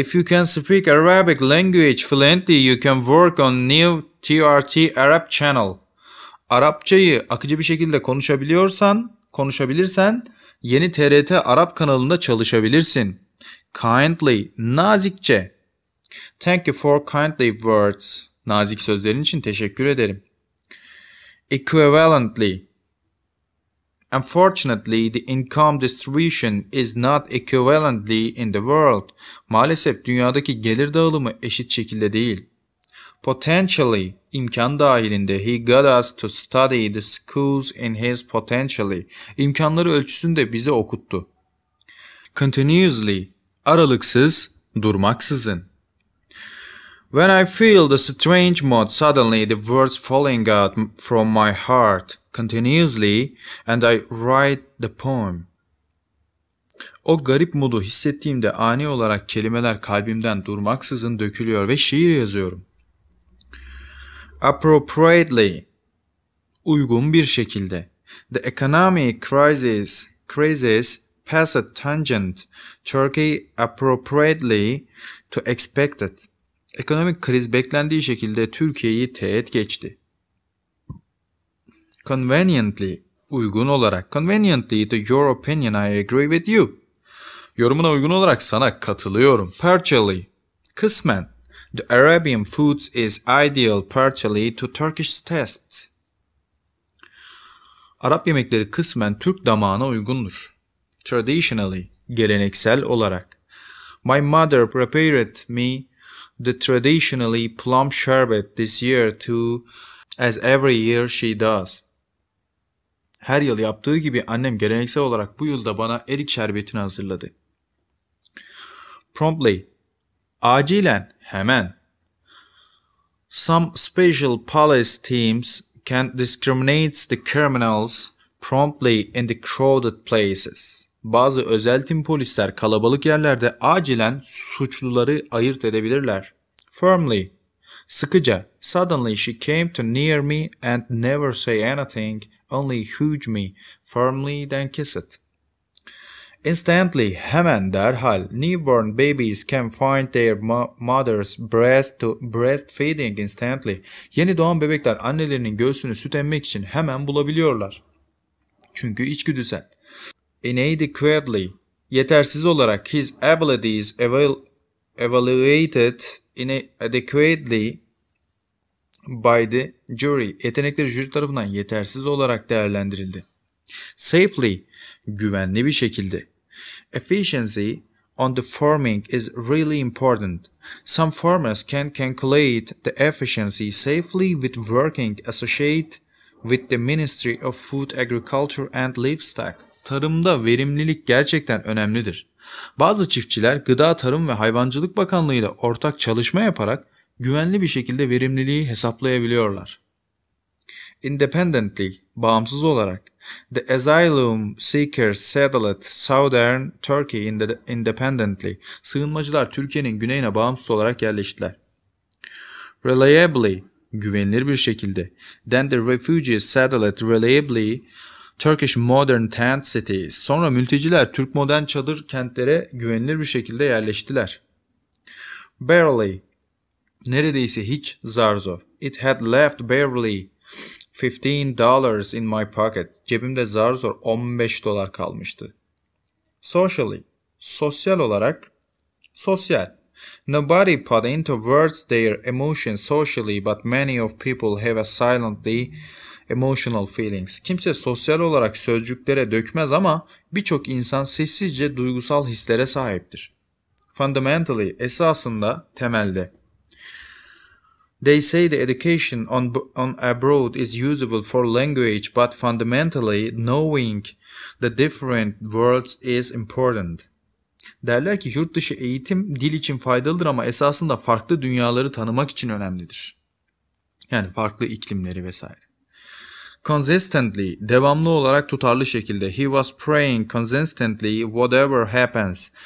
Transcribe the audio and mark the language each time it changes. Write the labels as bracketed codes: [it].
[en] If you can speak Arabic language fluently, you can work on new TRT Arab channel. [tr] Arapçayı akıcı bir şekilde konuşabilirsen, yeni TRT Arap kanalında çalışabilirsin. [en] Kindly. Nazikçe. Thank you for kindly words. [tr] Nazik sözlerin için teşekkür ederim. [en] Equivalently. Unfortunately, the income distribution is not equivalently in the world. [tr] Maalesef dünyadaki gelir dağılımı eşit şekilde değil. [en] Potentially. [tr] İmkan dahilinde. [en] He got us to study the schools in his potentially. [tr] İmkanları ölçüsünde bizi okuttu. [en] Continuously. [tr] Aralıksız, durmaksızın. [en] When I feel the strange mood, suddenly the words falling out from my heart continuously and I write the poem. [tr] O garip modu hissettiğimde ani olarak kelimeler kalbimden durmaksızın dökülüyor ve şiir yazıyorum. [en] Appropriately. [tr] Uygun bir şekilde. [en] The economic crisis passed tangent Turkey appropriately to expected. [tr] Ekonomik kriz beklendiği şekilde Türkiye'yi teğet geçti. [en] Conveniently, [tr] uygun olarak. [en] Conveniently to your opinion, I agree with you. [tr] Yorumuna uygun olarak sana katılıyorum. [en] Partially, kısmen. The Arabian foods is ideal partially to Turkish taste. [tr] Arap yemekleri kısmen Türk damağına uygundur. [en] Traditionally, [tr] geleneksel olarak. [en] My mother prepared me the traditionally plum sherbet this year too, as every year she does. [tr] Her yıl yaptığı gibi annem geleneksel olarak bu yıl da bana erik şerbetini hazırladı. [en] Promptly. [tr] Acilen, hemen. [en] Some special police teams can discriminate the criminals promptly in the crowded places. [tr] Bazı özel tim polisler kalabalık yerlerde acilen suçluları ayırt edebilirler. [en] Firmly, [tr] sıkıca. [en] Suddenly she came to near me and never say anything, only hug me firmly then kiss it. [tr] Instantly, hemen, derhal. [en] Newborn babies can find their mother's breast to breastfeeding instantly. [tr] Yeni doğan bebekler annelerinin göğsünü süt emmek için hemen bulabiliyorlar. Çünkü içgüdüsel. [en] Inadequately, [tr] yetersiz olarak. [en] His abilities evaluated inadequately by the jury, [tr] yetenekleri jüri tarafından yetersiz olarak değerlendirildi. [en] Safely, [tr] güvenli bir şekilde. [en] Efficiency on the farming is really important. Some farmers can calculate the efficiency safely with working associate with the Ministry of Food, Agriculture and Livestock. [tr] Tarımda verimlilik gerçekten önemlidir. Bazı çiftçiler Gıda, Tarım ve Hayvancılık Bakanlığı ile ortak çalışma yaparak güvenli bir şekilde verimliliği hesaplayabiliyorlar. [en] Independently, [tr] bağımsız olarak. [en] The asylum seekers settled southern Turkey independently. [tr] Sığınmacılar Türkiye'nin güneyine bağımsız olarak yerleştiler. Reliably, güvenilir bir şekilde. [en] Then the refugees settled reliably Turkish modern tent cities. [tr] Sonra mülteciler Türk modern çadır kentlere güvenilir bir şekilde yerleştiler. [en] Barely, [tr] neredeyse hiç, zar zor. [en] It had left barely $15 in my pocket. [tr] Cebimde zar zor 15 dolar kalmıştı. Socially, sosyal olarak. Sosyal. [en] Nobody put into words their emotions socially, but many of people have a silently emotional feelings. [tr] Kimse sosyal olarak sözcüklere dökmez ama birçok insan sessizce duygusal hislere sahiptir. Fundamentally, esasında, temelde. [en] They say the education on abroad is usable for language, but fundamentally knowing the different worlds is important. [tr] Derler ki yurt dışı eğitim dil için faydalıdır ama esasında farklı dünyaları tanımak için önemlidir. Yani farklı iklimleri vesaire. [en] Consistently, [tr] devamlı olarak, tutarlı şekilde. [en] He was praying consistently whatever happens.